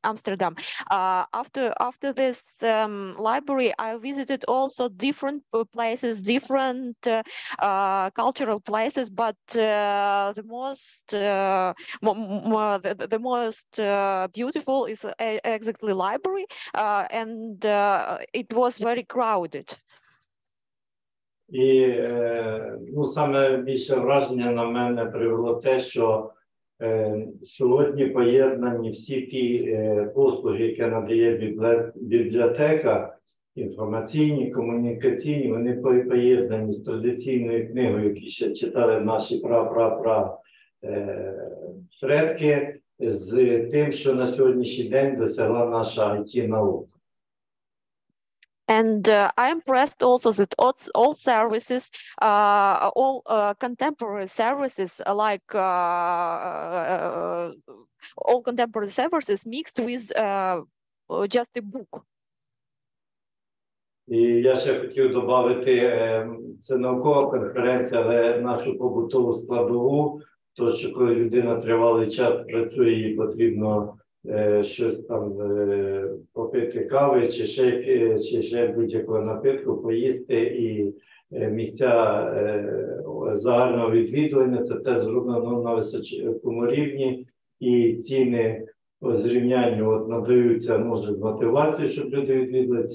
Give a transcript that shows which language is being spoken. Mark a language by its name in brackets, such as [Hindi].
[English] After this library, I visited also different places, different cultural places. But the most beautiful is exactly library, and it was very crowded. [Ukrainian] І саме більше враження на мене привело те, що сьогодні поєднані всі ті послуги, які надає бібліотека, інформаційні, комунікаційні, вони поєднані з традиційною книгою, яку ще читали наші пра-пра-пра предки, з тим, що на сьогоднішній день досягла наша IT-наука. [English] And I impressed also that all services, all contemporary services, like all contemporary services mixed with just a book. [Ukrainian] І я ще хотів додати, це наукова конференція, але нашу побутову складову, то що коли людина тривалий час працює, їй потрібно щось там попити кави чи ще будь-якого напитку поїсти, і місця загального відвідування, це те зроблено на високому рівні, і ціни по зрівнянню надаються, може, мотивацію, щоб люди відвідували.